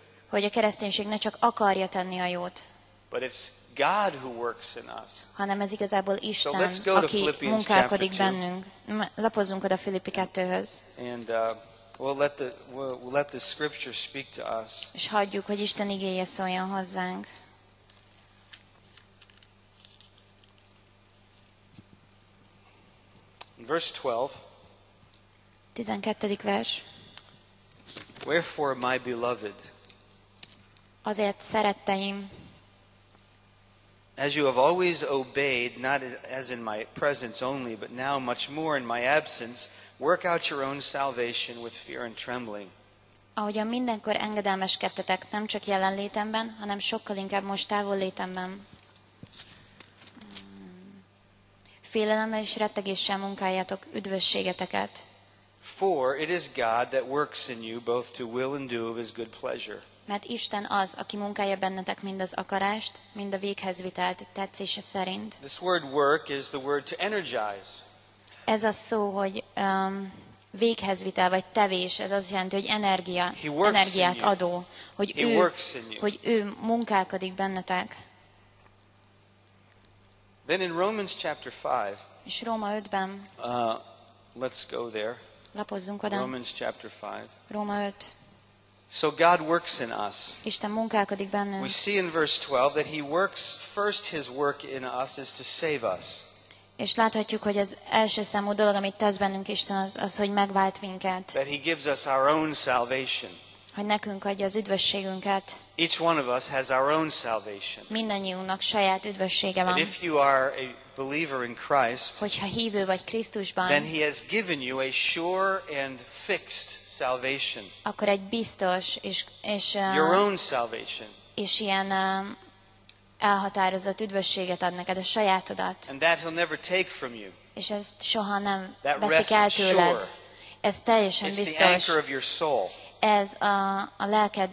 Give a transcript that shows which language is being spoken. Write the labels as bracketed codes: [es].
[hu] Hogy a kereszténység ne csak akarja tenni a jót, [en] God who works in us. [hu] Hanem ez igazából Isten, aki munkálkodik bennünk. Lapozzunk oda Filippi 2-höz. [en] And we'll let the scripture speak to us. [hu] És hagyjuk, hogy Isten igéje szóljon hozzánk. [en] Verse 12. [hu] 12. vers. [en] Wherefore my beloved. [hu] Azért szeretteim. [en] As you have always obeyed, not as in my presence only, but now much more in my absence, work out your own salvation with fear and trembling. [hu] Ahogyan mindenkor engedelmeskedtetek, nem csak jelenlétemben, hanem sokkal inkább most távollétemben. Félelemmel és rettegéssel munkáljátok üdvösségeteket. [en] For it is God that works in you both to will and do of his good pleasure. [hu] Mert Isten az, aki munkálja bennetek mind az akarást, mind a véghez vitelt tetszése szerint. [en] This word work is the word to energize. [hu] Ez a szó, hogy véghez vitel, vagy tevés, ez azt jelenti, hogy energia, energiát adó, hogy ő munkálkodik bennetek. [en] Then in Romans chapter 5, [hu] és Róma 5-ben, [en] let's go there. [hu] Lapozzunk oda. [en] Romans chapter 5. [hu] Róma 5. [en] So God works in us. [hu] Isten munkálkodik bennünk. [en] We see in verse 12 that he works first his work in us is to save us. [hu] És láthatjuk, hogy az első számú dolog, amit tesz bennünk Isten, az hogy megvált minket. [en] That he gives us our own salvation. [hu] Hogy nekünk adja az üdvösségünket. [en] Each one of us has our own salvation. [hu] Mindannyiunknak saját üdvössége van. [en] And if you are a believer in Christ, [hu] hogyha hívő vagy Krisztusban, [en] then he has given you a sure and fixed salvation. [hu] Akkor egy biztos és [en] your own salvation. [hu] És ilyen elhatározott üdvösséget ad neked, a sajátodat. [en] And that he'll never take from you. [hu] És ezt soha nem veszik el tőled. [en] Sure. [hu] Ez teljesen [en] It's [hu] biztos. [en] It's the anchor of your soul. [hu] Ez a lelked